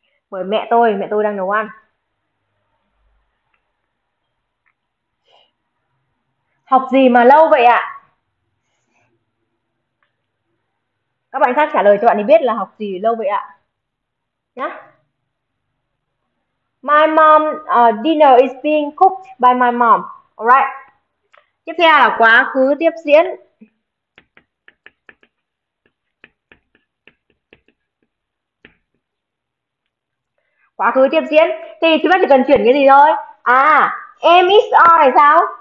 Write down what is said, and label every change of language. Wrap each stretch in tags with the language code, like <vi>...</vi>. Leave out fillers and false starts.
<vi>Bởi mẹ tôi đang nấu ăn. Học gì mà lâu vậy ạ? À? Các bạn khác trả lời cho bạn ấy biết là học gì lâu vậy ạ? À? Nhá.</vi> <en>My mom, dinner is being cooked by my mom. Alright.</en> <vi>Tiếp theo là quá khứ tiếp diễn. quá khứ tiếp diễn thì trước mắt chỉ cần chuyển cái gì thôi. À, em is are là sao?</vi>